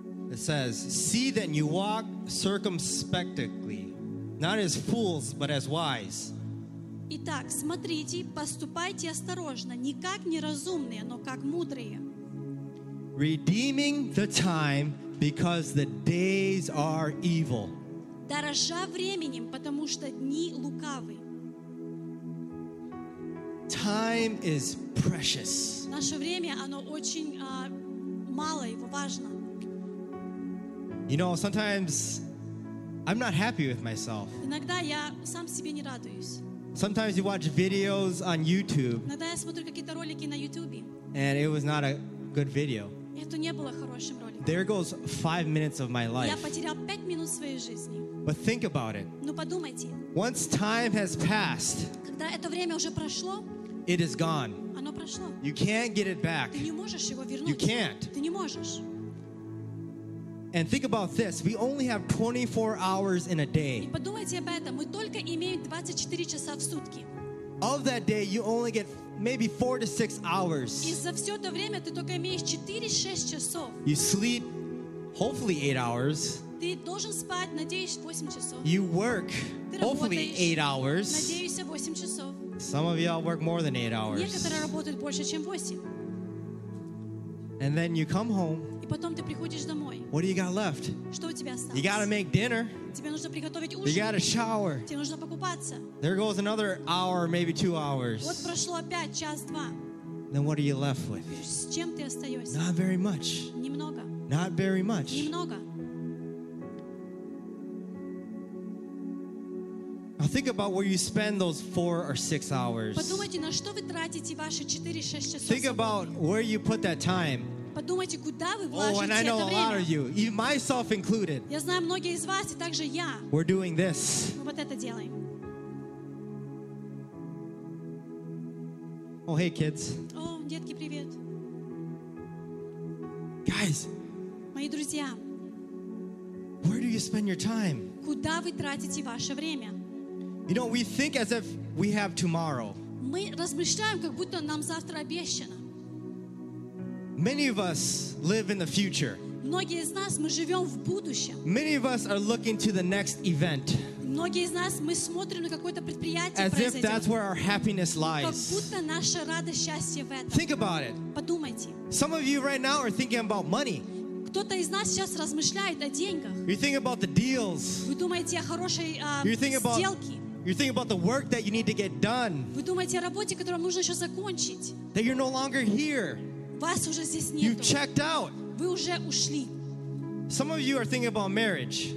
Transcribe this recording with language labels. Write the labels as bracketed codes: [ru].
[en] It says, see that you walk circumspectly, not as fools, but as wise. [ru] Итак, смотрите, поступайте осторожно, не как неразумные, но как мудрые. [en] Redeeming the time, because the days are evil. [ru] Дорожа временем, потому что дни лукавы. [en] Time is precious. [ru] Наше время, оно очень мало, его важно. [en] You know, sometimes I'm not happy with myself. [ru] Иногда я сам себе не радуюсь. [en] Sometimes you watch videos on YouTube. [ru] Иногда я смотрю какие-то ролики на YouTube. [en] And it was not a good video. [ru] Это не было хорошим роликом. [en] There goes 5 minutes of my life. [ru] Я потерял 5 минут своей жизни. [en] But think about it. [ru] Ну подумайте. [en] Once time has passed. [ru] Когда это время уже прошло. [en] It is gone. [ru] Оно прошло. [en] You can't get it back. [ru] Ты не можешь его вернуть. [en] You can't. [ru] Ты не можешь. [en] And think about this, we only have 24 hours in a day. [ru] И подумайте об этом, мы только имеем 24 часа в сутки. [en] Of that day, you only get maybe 4 to 6 hours. [ru] И за все это время ты только имеешь 4-6 часов. [en] You sleep, hopefully 8 hours. [ru] Ты должен спать, надеюсь, 8 часов. [en] You work, hopefully 8 hours. [ru] Надеюсь, 8 часов. [en] Some of y'all work more than 8 hours. [ru] Некоторые работают больше, чем 8. [en] And then you come home. [ru] И потом ты приходишь домой. [en] What do you got left? [ru] Что у тебя осталось? [en] You got to make dinner. [ru] Тебе нужно приготовить ужин. [en] You got to shower. [ru] Тебе нужно покупаться. [en] There goes another hour, maybe 2 hours. [ru] Вот прошло опять час-два. [en] Then what are you left with? [ru] С чем ты остаешься? [en] Not very much. [ru] Немного. [en] Not very much. [ru] Немного. [en] Now think about where you spend those 4 or 6 hours. [ru] Подумайте, на что вы тратите ваши 4-6 часов. [en] Think about where you put that time. [ru] Подумайте, куда вы вложите это время. [en] Oh, and I know a lot of you, myself included. [ru] Я знаю многие из вас, и также я. [en] We're doing this. [ru] Мы вот это делаем. [en] Oh, hey, kids. [ru] Oh, детки, привет. [en] Guys. [ru] Мои друзья. [en] Where do you spend your time? [ru] Куда вы тратите ваше время? [en] You know, we think as if we have tomorrow. [ru] Мы размышляем, как будто нам завтра обещано. [en] Many of us live in the future. [ru] Многие из нас мы живем в будущем. [en] Many of us are looking to the next event. [ru] Многие из нас мы смотрим на какое-то предприятие. [en] As if that's where our happiness lies. [ru] Как будто наша радость, счастье в этом. [en] Think about it. [ru] Подумайте. [en] Some of you right now are thinking about money. [ru] Кто-то из нас сейчас размышляет о деньгах. [en] You're thinking about the deals. [ru] Вы думаете о хорошей сделке. [en] You're thinking about the work that you need to get done. [ru] Вы думаете о работе, которую нужно еще закончить. [en] That you're no longer here. [ru] Вас уже здесь нету. [en] You've checked out. [ru] Вы уже ушли. [en] Some of you are thinking about marriage.